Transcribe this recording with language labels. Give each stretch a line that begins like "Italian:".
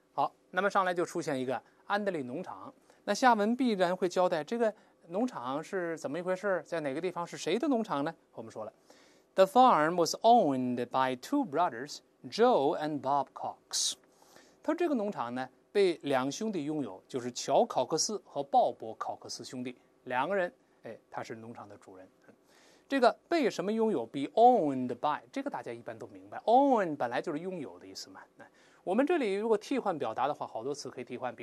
Chinese: 好，那么上来就出现一个安德利农场，那下文必然会交代这个农场是怎么一回事，在哪个地方，是谁的农场呢？我们说了
English: The farm was owned by two brothers Joe and Bob Cox。
Chinese: 他这个农场呢被两兄弟拥有，就是乔考克斯和鲍勃考克斯兄弟两个人，哎，他是农场的主人。这个被什么拥有 ？
English: Be owned by，
Chinese: 这个大家一般都明白。 Own 本来就是拥有的意思嘛。我们这里如果替换表达的话，好多词可以替换。